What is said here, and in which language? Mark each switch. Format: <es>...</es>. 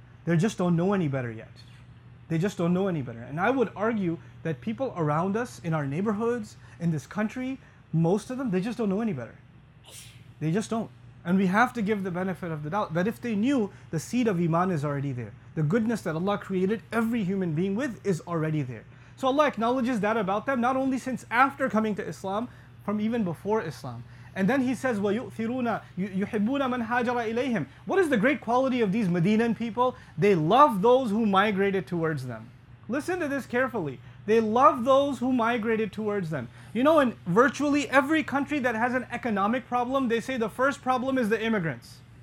<en>They just don't know any better yet. They just don't know any better. And I would argue that people around us, in our neighborhoods, in this country, most of them, they just don't know any better. They just don't. And we have to give the benefit of the doubt that if they knew, the seed of Iman is already there. The goodness that Allah created every human being with is already there. So Allah acknowledges that about them, not only since after coming to Islam, from even before Islam. And then He says,</en> <ar>وَيُؤْثِرُونَ يُحِبُّونَ مَنْ هَاجَرَ إِلَيْهِمْ.</ar> <en>What is the great quality of these Medinan people? They love those who migrated towards them. Listen to this carefully. They love those who migrated towards them. You know, in virtually every country that has an economic problem, they say the first problem is the immigrants.</en>